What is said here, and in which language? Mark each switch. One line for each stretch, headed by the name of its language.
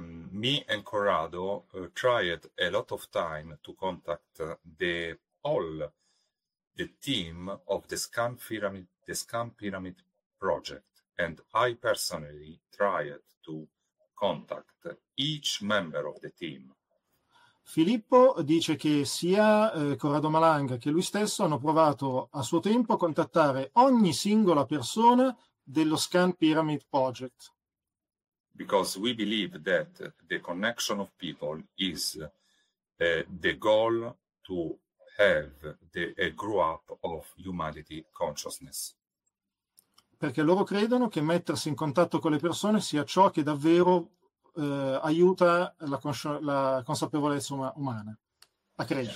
English: Me and Corrado tried a lot of time to contact all the team of the Skam Pyramid project, and I personally tried to contact each member of the team.
Italian: Filippo dice che sia Corrado Malanga che lui stesso hanno provato a suo tempo a contattare ogni singola persona dello Skam Pyramid Project.
English: Because we believe that the connection of people is the goal to have a grow up of humanity consciousness.
Italian: Perché loro credono che mettersi in contatto con le persone sia ciò che davvero aiuta la consapevolezza umana a crescere.